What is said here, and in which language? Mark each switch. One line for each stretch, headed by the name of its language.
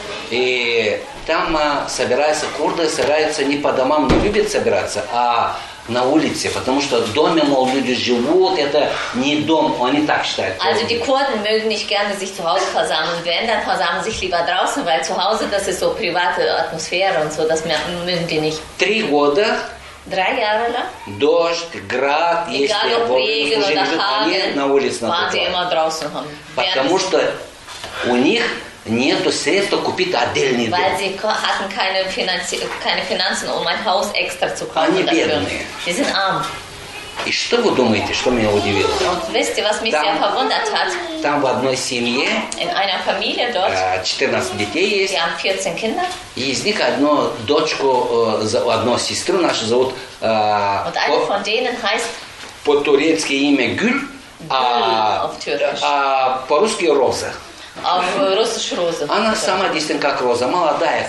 Russian: И там собираются курды, собираются не по домам, не любят собираться, а на улице, потому что в доме, мол, люди живут, это не дом, они так считают.
German: Also die Kurden mögen nicht gerne sich zu Hause versammeln, wenn, dann versammeln sich lieber draußen, weil zu Hause, das ist so private Atmosphäre und so, das mögen die nicht.
Russian: Три года.
German: Drei Jahre lang.
Russian: Дождь, град, если
German: Regen
Russian: уже не живут, они на улице на тротуаре. Потому что у них нету средства купить отдельный
German: weil
Russian: дом.
German: Weil sie hatten keine Finanzen, um ein Haus extra zu kaufen.
Russian: Они бедные.
German: Sie sind arm.
Russian: И что вы думаете, что меня удивило?
German: Und wisst ihr, was mich sehr verwundert hat?
Russian: Там в одной семье
German: in einer Familie dort,
Russian: 14 детей есть.
German: Die haben 14 Kinder.
Russian: И из них одну дочку, одну сестру нашу зовут
German: und eine von denen heißt,
Russian: по турецки имя Гюль, а по-русски Роза.
German: Auf Russisch Rose.
Russian: Она сама действительно как Роза, молодая,